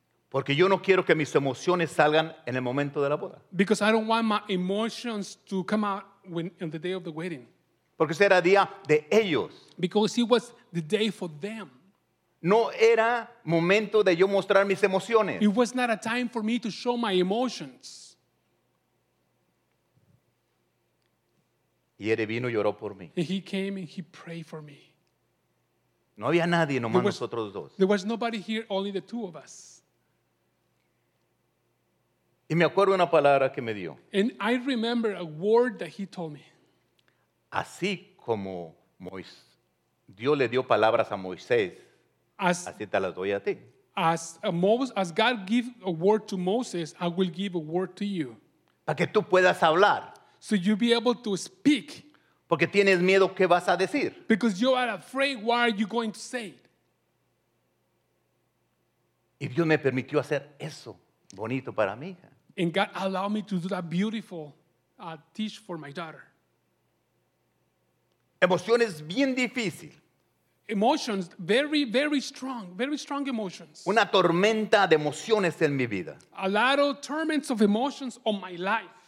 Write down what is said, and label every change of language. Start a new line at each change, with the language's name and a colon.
Spanish: Porque yo no quiero que mis emociones salgan en el momento de la boda.
English: Because I don't want my emotions to come out on the day of the wedding.
Spanish: Porque ese era día de ellos.
English: Because it was the day for them.
Spanish: No era momento de yo mostrar mis emociones.
English: It was not a time for me to show my emotions.
Spanish: Y él vino y lloró por mí.
English: And he came and he prayed for me.
Spanish: No había nadie, nomás nosotros dos.
English: There was nobody here, only the two of us.
Spanish: Y me acuerdo una palabra que me dio.
English: And I remember a word that he told me.
Spanish: Así como Dios le dio palabras a Moisés,
English: as,
Spanish: así te las doy a ti.
English: As God gave a word to Moses, I will give a word to you.
Spanish: Para que tú puedas hablar.
English: So you be able to speak.
Spanish: Porque tienes miedo qué vas a decir.
English: Because you are afraid, what are you going to say?
Spanish: Y Dios me permitió hacer eso bonito para mi hija.
English: And God allowed me to do that beautiful teach for my daughter.
Spanish: Emociones bien difícil.
English: Emotions, very, very strong. Very strong emotions.
Spanish: Una tormenta de emociones en mi vida.
English: A lot of torments of emotions on my life.